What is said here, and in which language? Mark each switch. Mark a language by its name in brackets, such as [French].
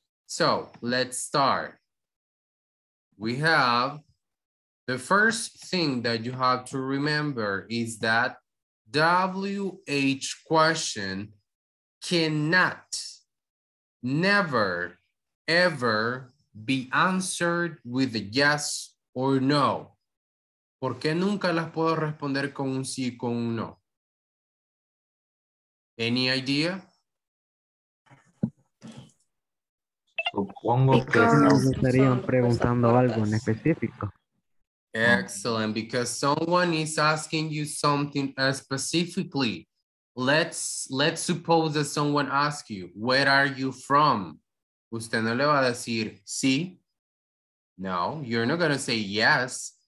[English] So let's start. We have the first thing that you have to remember is that WH question cannot, never, ever be answered with a yes or no. [Spanish] ¿Por qué nunca las puedo responder con un sí y con un no? [English] Any idea? [Spanish] Supongo que no me estarían preguntando algo en específico. [English] Excellent, because someone is asking you something specifically. Let's suppose that someone asks you, where are you from? [Spanish] Usted no le va a decir sí. [English] No, you're not going to say yes.